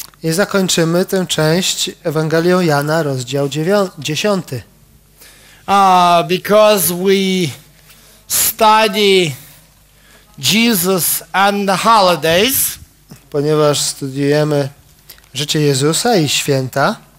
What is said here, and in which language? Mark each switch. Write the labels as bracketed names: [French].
[Polish] I zakończymy tę część Ewangelią Jana, rozdział 10. [English] Because we study Jesus and the holidays. [Polish] Ponieważ studiujemy życie Jezusa i święta.